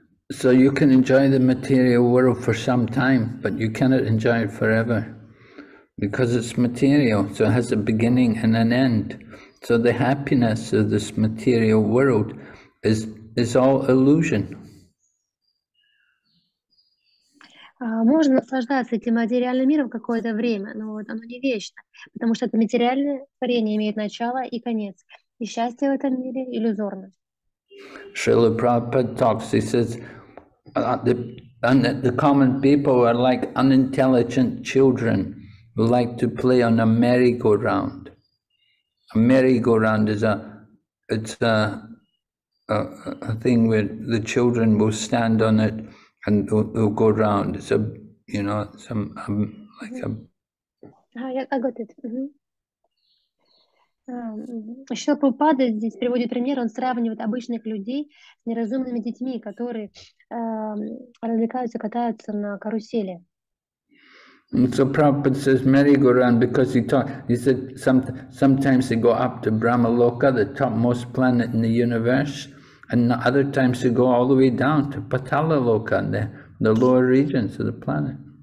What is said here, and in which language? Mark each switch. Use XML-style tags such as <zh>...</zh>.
<en>So you can enjoy the material world for some time, but you cannot enjoy it forever. Because it's material, so it has a beginning and an end. So the happiness of this material world is all illusion.</en> <ru>Можно наслаждаться этим материальным миром какое-то время, но вот оно не вечно, потому что это материальное творение имеет начало и конец. И счастье в этом мире иллюзорно.</ru> <en>Шрила Прабхупада talks, he says, the common people are like unintelligent children. Who like to play on a merry-go-round. A merry-go-round is a thing where the children will stand on it and they'll go round. It's a, you know, some like a. I got it.</en> <ru>Шрила Прабхупада здесь приводит пример. Он сравнивает обычных людей с неразумными детьми, которые развлекаются, катаются на карусели.</ru> <en>And so Prabhupada says merry-go-round because he said sometimes they go up to Brahmaloka, the topmost planet in the universe, and other times they go all the way down to Patalaloka, the lower regions of the planet.</en>